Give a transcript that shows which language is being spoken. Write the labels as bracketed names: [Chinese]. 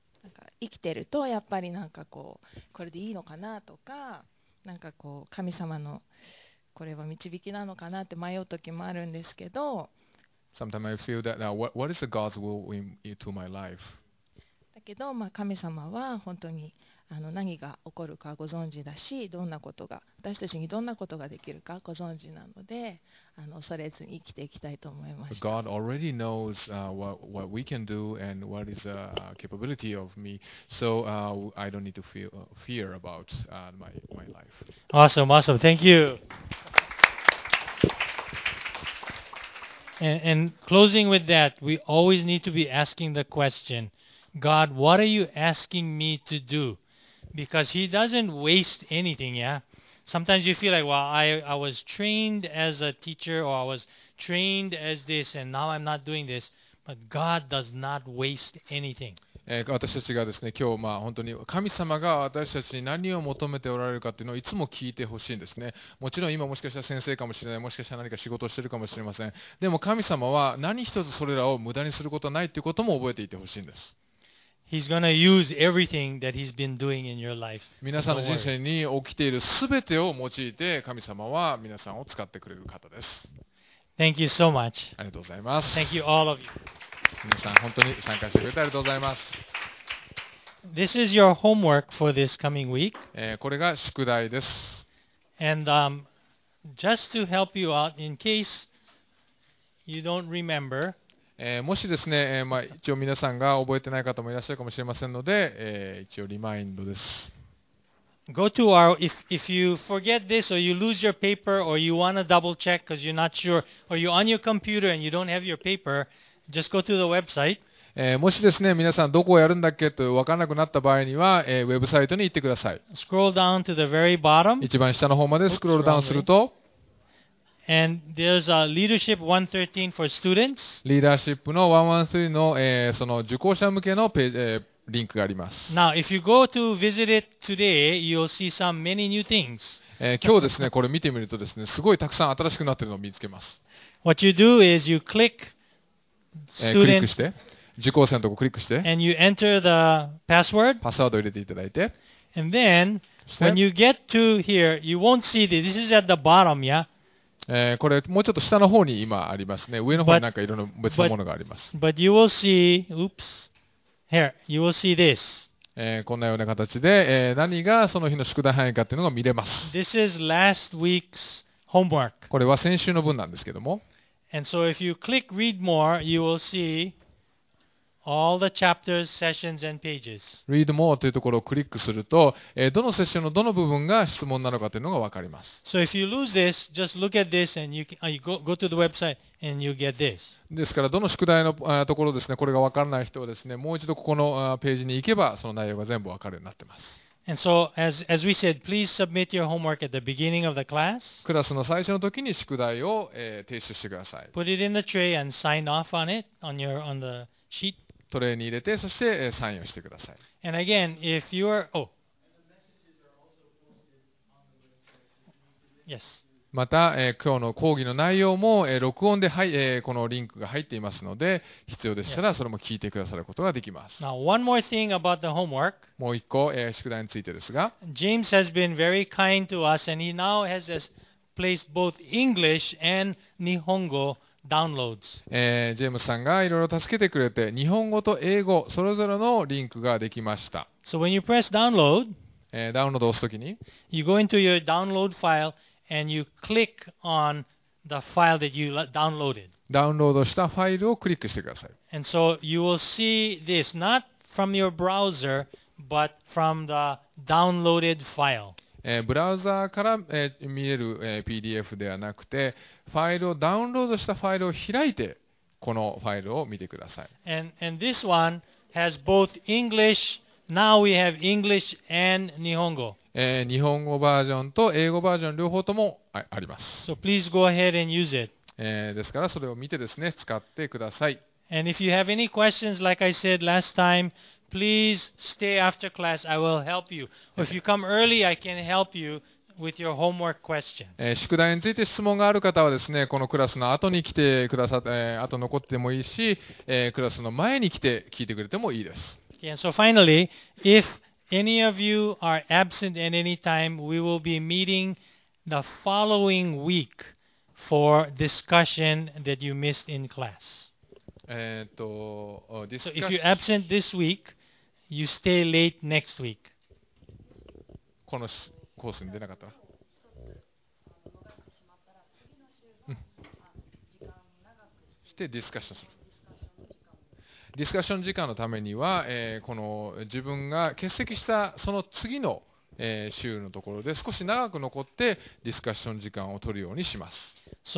[Japanese] なんか生きてるとやっぱりなんかこうこれでいいのかなとか、なんかこう神様のこれは導きなのかなって迷う時もあるんですけど、 [English] Sometimes I feel that what is the God's will to my life? [Japanese] だけど、まあ、神様は本当に何が起こるかご存知だし、どんなことが私たちにどんなことができるかご存知なので、恐れずに生きていきたいと思いました。 [English] God already knows what we can do and what is the capability of me, so I don't need to fear about my life. Awesome, thank you. And closing with that, we always need to be asking the question, God, what are you asking me to doDo? Because he doesn't waste anything, yeah? Sometimes you feel like, well, I was trained as a teacher, or I was trained as this, and now I'm not doing this. But God does not waste anything. [Japanese] 私たちがですね、今日、まあ、本当に神様が私たちに何を求めておられるかというのをいつも聞いてほしいんですね。もちろん今もしかしたら先生かもしれない、もしかしたら何か仕事をしているかもしれません。でも神様は何一つそれらを無駄にすることはないということも覚えていてほしいんです。 [English] He's gonna use everything that he's been doing in your life. [Japanese] 皆さんの人生に起きているすべてを用いて、神様は皆さんを使ってくれる方です。 [English] Thank you so much. [Japanese] ありがとうございます。 [English] Thank you all of you. [Japanese] 皆さん本当に参加してくれてありがとうございます。 [English] This is your homework for this coming week. [Japanese] これが宿題です。 [English] And just to help you out in case you don't remember. [Japanese] もしですね、まあ、一応皆さんが覚えてない方もいらっしゃるかもしれませんので、一応リマインドです。 [English] Go to our, if you forget this or you lose your paper or you want to double check because you're not sure or you're on your computer and you don't have your paper, just go to the website. [Japanese] もしですね、皆さんどこをやるんだっけと分からなくなった場合には、ウェブサイトに行ってください。 [English] Scroll down to the very bottom. [Japanese] 一番下の方までスクロールダウンすると。 [English] And there's a leadership 113 for students. [Japanese] リーダーシップの113の、その受講者向けのページ、リンクがあります。 [English] Now, if you go to visit it today, you'll see some many new things. [Japanese] 今日ですね、これ見てみるとですね、すごいたくさん新しくなってるのを見つけます。 [English] What you do is you click student. [Japanese] クリックして、受講生のとこクリックして、 [English] and you enter the password. [Japanese] パスワードを入れていただいて、 [English] and then when you get to here, you won't see this. This is at the bottom, yeah. [Japanese] これもうちょっと下の方に今ありますね。上の方になんかいろんな別のものがあります。 [English] But you will see, oops, here, you will see this. [Japanese] こんなような形で、何がその日の宿題範囲かっていうのが見れます。 [English] This is last week's homework. [Japanese] これは先週の分なんですけども。 [English] And so if you click read more, you will see all the chapters, sessions, and pages. [Japanese] Read more というところをクリックすると、どのセッションのどの部分が質問なのかというのが分かります。 [English] So if you lose this, just look at this and you can, go to the website and you get this. [Japanese] ですから、どの宿題のところですね、これが分からない人はですね、もう一度ここのページに行けば、その内容が全部分かるようになっています。 [English] And so, as we said, please submit your homework at the beginning of the class. [Japanese] クラスの最初の時に宿題を、提出してください。 [English] Put it in the tray and sign off on it on your, on the sheet. [Japanese] トレーに入れて、そしてサインをしてください。 [English] And again, if you are, yes. [Japanese] また、今日の講義の内容も、録音で、はい、このリンクが入っていますので、必要でしたら、yes. それも聞いてくださることができます。 [English] Now, one more thing about the homework. [Japanese] もう一個、宿題についてですが、 [English] James has been very kind to us, and he now has placed both English and Nihongo. Downloads. [Japanese] ジェームスさんがいろいろ助けてくれて、日本語と英語それぞれのリンクができました。 [English] So when you press download, [Japanese] ダウンロードを押すときに、 [English] you go into your download file and you click on the file that you downloaded. [Japanese] ダウンロードしたファイルをクリックしてください。 [English] And so you will see this not from your browser, but from the downloaded file. [Japanese] ブラウザーから、見える、PDF ではなくて、ファイルをダウンロードしたファイルを開いて、このファイルを見てください。 [English] And this one has both English, now we have English and 日本語。 [Japanese] 日本語バージョンと英語バージョン両方ともあります。 [English] So please go ahead and use it. [Japanese] ですからそれを見てですね、使ってください。 [English] And if you have any questions, like I said last time,Please stay after class. I will help you. If you come early, I can help you with your homework questions. [Japanese] 宿題について質問がある方はですね、このクラスの後に来てくださって、あと残ってもいいし、クラスの前に来て聞いてくれてもいいです。 [English] Okay, and so finally, if any of you are absent at any time, we will be meeting the following week for discussion that you missed in class. So if you're absent this week, you stay late next week. [Japanese] このコースに出なかった。してディスカッションする。ディスカッション時間のためには、この自分が欠席したその次の、週のところで少し長く残ってディスカッション時間を取るようにします。